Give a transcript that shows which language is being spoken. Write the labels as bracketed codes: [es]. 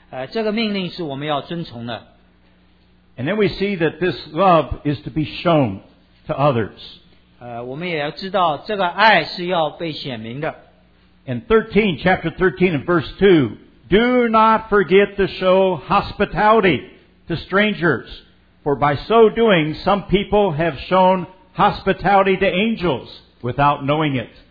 [zh] 这个命令是我们要遵从的。 [en] And then we see that this love is to be shown to others. [zh] 我们也要知道这个爱是要被显明的。 [en] In 13, chapter 13 and verse 2, do not forget to show hospitality to strangers, for by so doing, some people have shown hospitality to angels without knowing it.